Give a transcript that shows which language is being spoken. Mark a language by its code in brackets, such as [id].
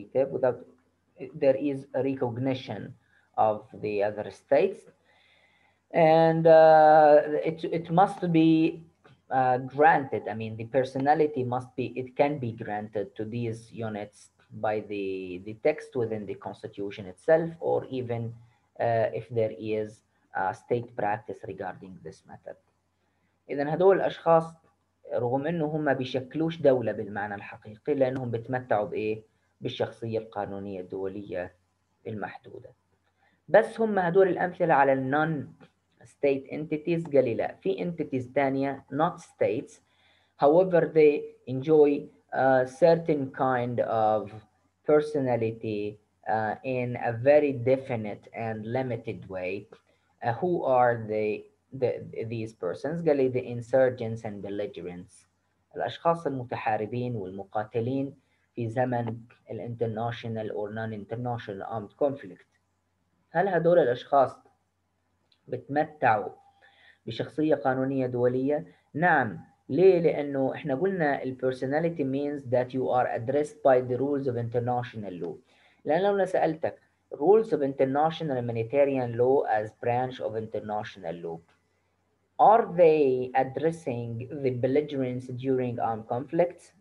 [en] Without, there is a recognition of the other states, and it must be granted. I mean, the personality must be, it can be granted to these units by the text within the constitution itself, or even if there is a state practice regarding this matter. [ar] إذن هدول الأشخاص رغم إنه هم بيشكلوش دولة بالمعنى الحقيقي لأنهم بتمتعوا بإيه بالشخصية القانونية الدولية المحدودة. بس هم هدول الأمثلة على non-state entities قليلة. [en] في entities تانية not states. However, they enjoy a certain kind of personality in a very definite and limited way. Who are they, these persons? قالي the insurgents and belligerents. [ar] الأشخاص المتحاربين والمقاتلين في زمن ال [en] international or non-international armed conflict. [ar] هل هدول الأشخاص بتمتعوا بشخصية قانونية دولية؟ نعم. ليه؟ لأنه إحنا قلنا ال [en] personality means that you are addressed by the rules of international law. [ar] لأن لو سألتك [en] rules of international humanitarian law as branch of international law, are they addressing the belligerents during armed conflicts?